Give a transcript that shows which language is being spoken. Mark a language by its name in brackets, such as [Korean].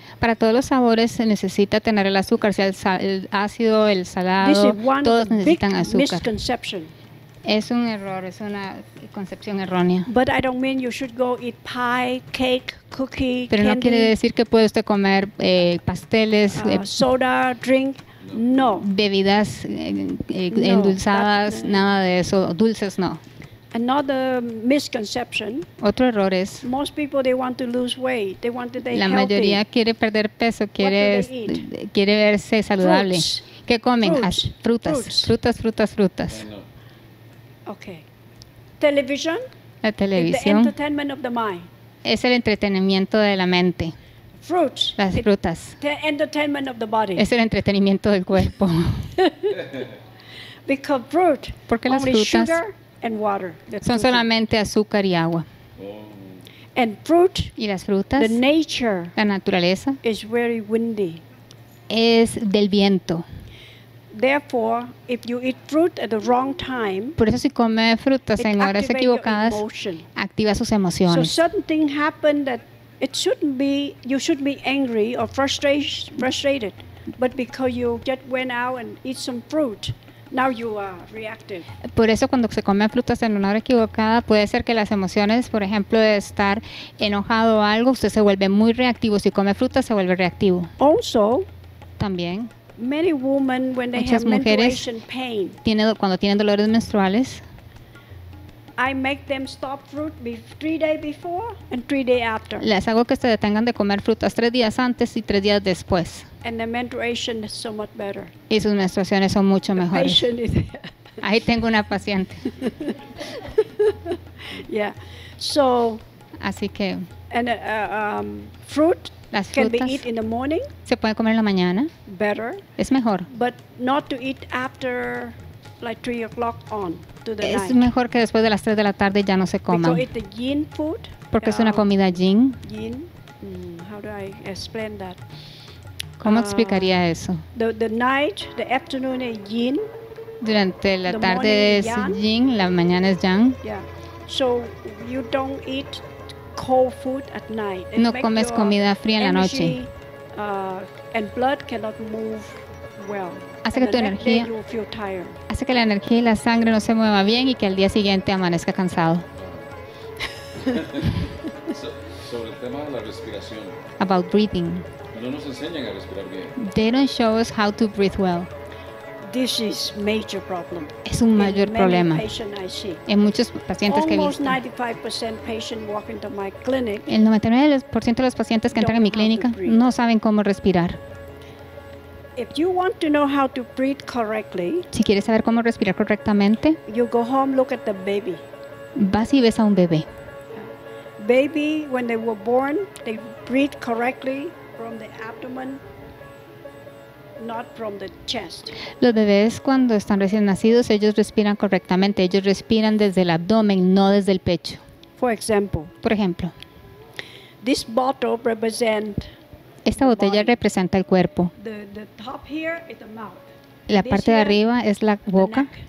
[Spanish] Para todos los sabores se necesita tener el azúcar, sea el ácido, el salado, todos necesitan azúcar. Es un error, es una concepción errónea. [English] But I don't mean you should go eat pie, cake, cookie, [Spanish] pero [English] candy, [Spanish] no quiere decir que puede usted comer pasteles, [English] soda, drink, no. [Spanish] Bebidas no, endulzadas, that, nada de eso, dulces no. [English] Another misconception. [Spanish] Otro error es. [English] Most people they want to lose weight. They want to be healthy. [Spanish] La mayoría quiere perder peso, quiere verse saludable. [English] Fruits. [Spanish] ¿Qué comen? [English] Fruits. [Spanish] Frutas. [English] Okay. Television. [Spanish] La televisión. [English] Is the entertainment of the mind. [Spanish] Es el entretenimiento de la mente. [English] Fruits. [Spanish] Las frutas. [English] The entertainment of the body. [Spanish] Es el entretenimiento del cuerpo. [English] Because fruit. [Spanish] Porque las [English] only [Spanish] frutas. [English] Sugar, and water. [Spanish] Son solamente azúcar y agua. [English] And fruit. [Spanish] Y las frutas. [English] The nature. [Spanish] La naturaleza. [English] Is very windy. [Spanish] Es del viento. [English] Therefore, if you eat fruit at the wrong time. [Spanish] Por eso si come frutas en horas equivocadas. Activa sus emociones. [English] So certain thing happen that it shouldn't be. You shouldn't be angry or frustrated, but because you just went out and eat some fruit. Now you are reactive. [Spanish] Por eso cuando se come frutas en una hora equivocada puede ser que las emociones, por ejemplo, de estar enojado o algo, usted se vuelve muy reactivo. Si come frutas se vuelve reactivo. [English] Also, [Spanish] también. [English] Many women when they have menstruation pain. [Spanish] Cuando tienen dolores menstruales. [English] I make them stop fruit 3 days before and 3 days after. [Spanish] Les hago que se detengan de comer frutas 3 días antes y 3 días después. [English] And the menstruation is so much better. [Spanish] Y sus menstruaciones son mucho [English] the [Spanish] mejores. Ahí tengo una paciente. [English] Yeah. So. [Spanish] Así que. [English] And fruit. [Spanish] Las [English] can [Spanish] frutas. [English] Can be eaten in the morning. [Spanish] Se puede comer en la mañana. [English] Better. [Spanish] Es mejor. [English] But not to eat after. Like 3 o'clock on to the [Spanish] es [English] night. [Spanish] Mejor que después de las 3 de la tarde ya no se coma. [English] Because it's a yin food. [Spanish] Porque es una comida yin. [English] Yin. How do I explain that? [Spanish] ¿Cómo explicaría eso? [English] The night, the afternoon is yin. [Spanish] Durante la tarde es yin, la mañana es yang. [English] Yeah. So you don't eat cold food at night. [Spanish] It no comes comida fría en la noche. [English] And blood cannot move well. [Spanish] Hace que tu energía, hace que la energía y la sangre no se mueva bien y que al día siguiente amanezca cansado. Sobre el tema de la respiración. [English] About breathing. [Spanish] No nos enseñan a respirar bien. [English] They don't show us how to breathe well. This is major problem. [Spanish] Es un mayor problema. En muchos pacientes que he visto. [English] Almost 95% patient walk into my clinic. [Spanish] El 99% de los pacientes que entran en mi clínica no saben cómo respirar. [English] If you want to know how to breathe correctly, [Spanish] si quieres saber cómo respirar correctamente, [English] you go home, look at the baby. [Spanish] Vas y ves a un bebé. [English] Baby, when they were born, they breathe correctly from the abdomen, not from the chest. [Spanish] Los bebés cuando están recién nacidos, ellos respiran correctamente. Ellos respiran desde el abdomen, no desde el pecho. [English] For example, [Spanish] por ejemplo, [English] this bottle represents. [Spanish] Esta botella representa el cuerpo. [English] The top here is the mouth. [Spanish] La parte de arriba es la boca.